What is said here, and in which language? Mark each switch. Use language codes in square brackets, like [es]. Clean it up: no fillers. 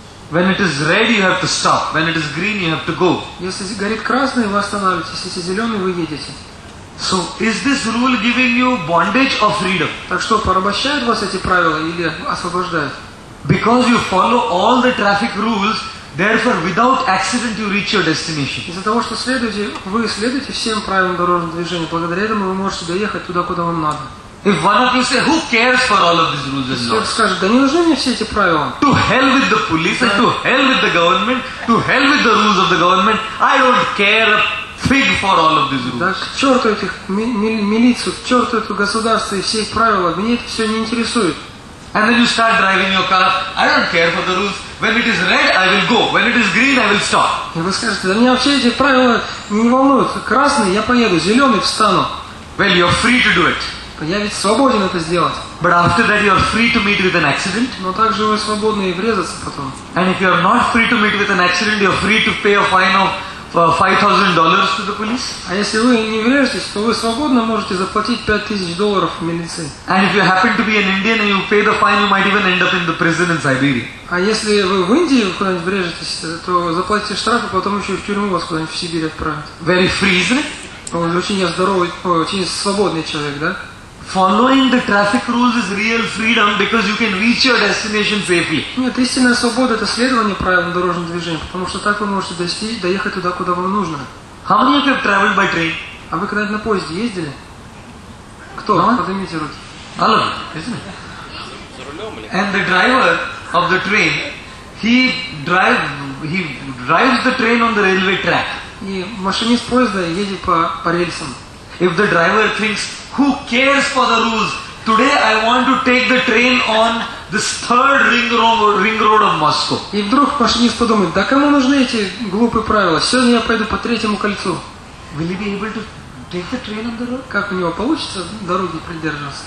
[en] When it is red, you have to stop. When it is green, you have to go. [ru] Если горит красный, вы останавливаетесь. Если зеленый, вы едете. [en] So, is this rule giving you bondage or freedom? [ru] Так что, порабощают вас эти правила или освобождают? [en] Because you follow all the traffic rules, Therefore, without accident, you reach your destination. [ru] Из-за того, что следуете, вы следуете всем правилам дорожного движения. Благодаря этому вы можете доехать туда, куда вам надо. [en] If one of you say, "Who cares for all of these rules and laws?" [ru] Если скажет, да не нужны мне все эти правила. [en] To hell with the police, to hell with the government, to hell with the rules of the government. I don't care a fig for all of these rules. [ru] Да, к черту этих милицию, к черту это государство и все их правила. Меня это все не интересует. [en] And then you start driving your car. I don't care for the rules. When it is red, I will go. When it is green, I will stop. [ru] И вы скажете, да меня вообще эти правила не волнуют. Красный, я поеду. Зеленый, встану. [en] Well, you're free to do it. [ru] Я ведь свободен это сделать. [en] But after that, you're free to meet with an accident. [ru] Но также вы свободны и врезаться потом. [en] And if you're not free to meet with an accident, you're free to pay a fine of $5,000 to the police. [ru] А если вы не врежетесь, то вы свободно можете заплатить $5,000 милиции. [en] And if you happen to be an Indian and you pay the fine, you might even end up in the prison in Siberia. [ru] А если вы в Индии куда-нибудь врежетесь, то заплатите штраф, а потом еще в тюрьму вас куда-нибудь в Сибирь отправят. [en] Very free, isn't it? [ru] Он очень здоровый, очень свободный человек, да? [en] Following the traffic rules is real freedom because you can reach your destination safely. [ru] Нет, истинная свобода — это следование правилам дорожного движения, потому что так вы можете доехать туда, куда вам нужно. [en] How many of you have traveled by train? [ru] А вы когда-нибудь на поезде ездили? Кто? [en] No? [ru] Поднимите руки. [en] Hello, isn't it? And the driver of the train, he drives the train on the railway track. [ru] И машинист поезда едет по рельсам. [en] If the driver thinks, who cares for the rules? Today I want to take the train on this third ring road of Moscow. [ru] И вдруг машинист подумает, да кому нужны эти глупые правила? Сегодня я пойду по третьему кольцу. [en] Will he be able to take the train on the road? [ru] Как у него получится дороги придерживаться?